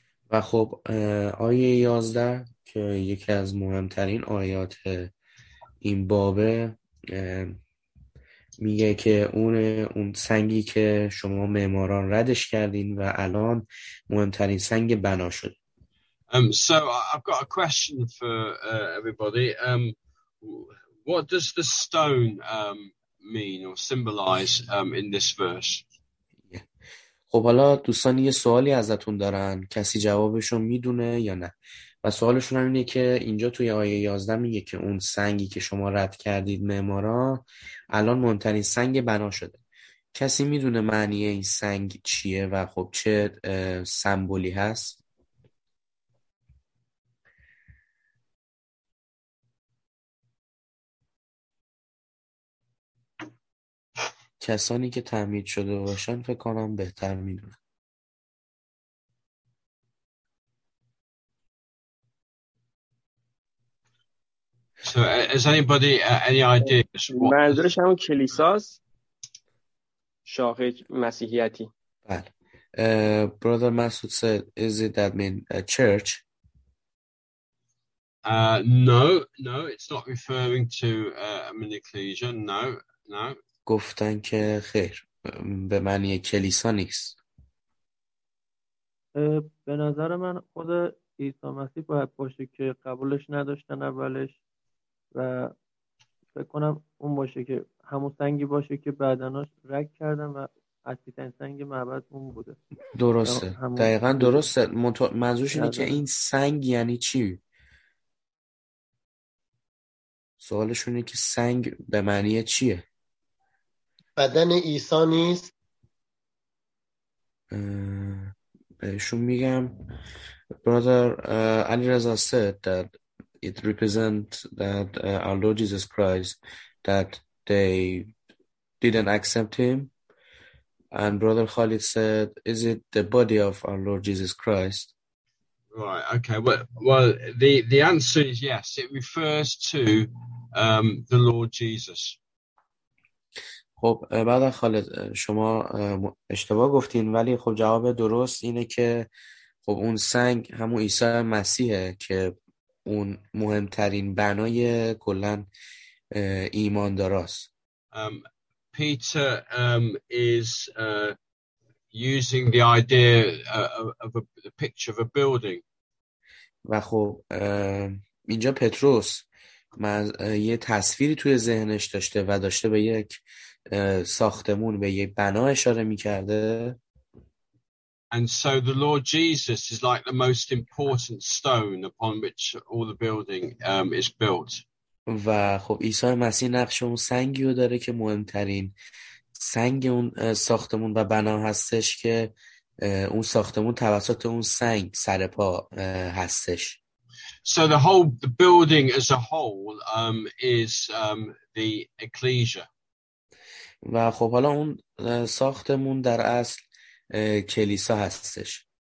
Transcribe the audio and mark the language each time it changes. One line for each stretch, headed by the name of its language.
Persian: و خب آیه 11 که یکی از مهمترین آیات این بابه میگه که اون سنگی که شما معماران ردش کردین و الان مهمترین سنگ بنا شد.
English: So I've got a question for everybody. What does the stone mean or symbolize in this verse? Yeah.
Persian: خب حالا دوستان یه سوالی ازتون دارن، کسی جوابشو میدونه یا نه؟ و سوالشون هم اینه که اینجا توی آیه 11 میگه که اون سنگی که شما رد کردید معمارا الان مهمترین سنگ بنا شده. کسی میدونه معنی این سنگ چیه و خب چه سمبولی هست؟ کسانی که تعمید شده باشن فکر کنم بهتر میدونن.
English: So is anybody any idea?
Persian: منظورش همون کلیساست، شاخه مسیحیتی. بله.
English: Brother Masood said, is it that mean a church? No, it's not referring to an ecclesia. No.
Persian: گفتن که خیر، به معنی کلیسا نیست. به نظر من خود عیسی مسیح باید باشه که قبولش نداشتن اولش، و فکر کنم اون باشه که همون سنگی باشه که بعدناش رد کردن و اصلی‌ترین سنگ معبد اون بوده. درسته، دقیقا درسته. منظورش اینه که این سنگ یعنی چی؟ سوالشون اینه که سنگ به معنی چیه؟ بدن عیسی نیست؟ بهشون میگم
English: برادر Ali Reza said that it represents that our Lord Jesus Christ, that they didn't accept him. And Brother Khalid said, is it the body of our Lord Jesus Christ? Right, okay. Well, the answer is yes. It refers to the Lord Jesus.
Persian: خب برادر خالد شما اشتباه گفتین، ولی خب جواب درست اینه که خب اون سنگ همون عیسی مسیحه که اون مهمترین بنای کلن ایمان داراست.
English: Peter is using the idea of the picture of a building.
Persian: و خب اینجا پتروس یه تصویری توی ذهنش داشته و داشته به یک ساختمون، به یک بنا اشاره می‌کرده.
English: And so the Lord Jesus is like the most important stone upon which all the building is built.
Persian: و خب عیسی مسیح نقش اون سنگی رو داره که مهمترین سنگ اون ساختمون و بنا هستش، که اون ساختمون توسط اون سنگ سرپا هستش.
English: So the building as a whole is the ecclesia.
Persian: و خب حالا اون ساختمون در اصل کلیسا هستش.